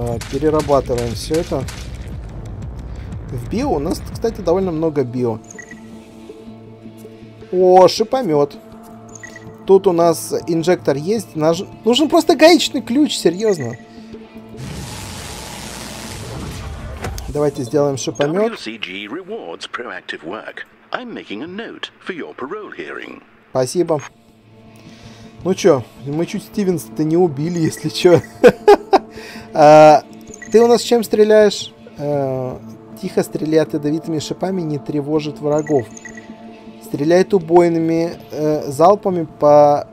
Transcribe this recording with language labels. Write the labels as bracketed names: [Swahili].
[Russian] Перерабатываем все это. В био у нас, кстати, довольно много био. О, шипомет. Тут у нас инжектор есть. Нужен просто гаечный ключ, серьезно. Давайте сделаем шипомет. [English] WCG rewards proactive work. I'm making a note for your parole hearing. [Russian] Спасибо. Ну чё, мы чуть Стивенса-то не убили, если чё. Ты у нас чем стреляешь? Тихо стреляет ядовитыми шипами, не тревожит врагов. Стреляет убойными залпами по...